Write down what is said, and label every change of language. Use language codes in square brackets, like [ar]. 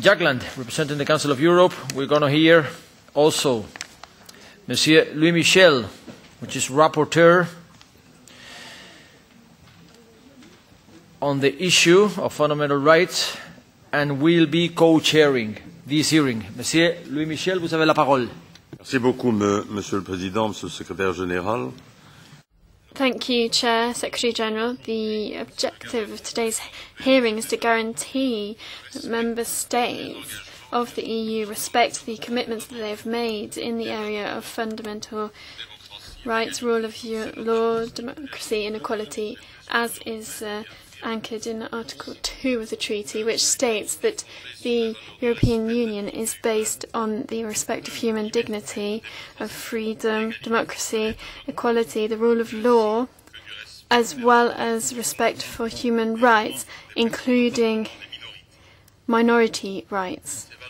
[en] Jagland, representing the Council of Europe, we're going to hear also Monsieur Louis Michel, which is rapporteur on the issue of fundamental rights, and will be co-chairing this hearing. [fr] Monsieur Louis Michel, vous avez la parole. Merci beaucoup, Monsieur le Président, Monsieur le Secrétaire Général. [en] Thank you, Chair, Secretary General. The objective of today's hearing is to guarantee that member states of the EU respect the commitments that they have made in the area of fundamental rights, rule of law, democracy, inequality, as is anchored in Article 2 of the Treaty, which states that the European Union is based on the respect of human dignity, of freedom, democracy, equality, the rule of law, as well as respect for human rights, including minority rights.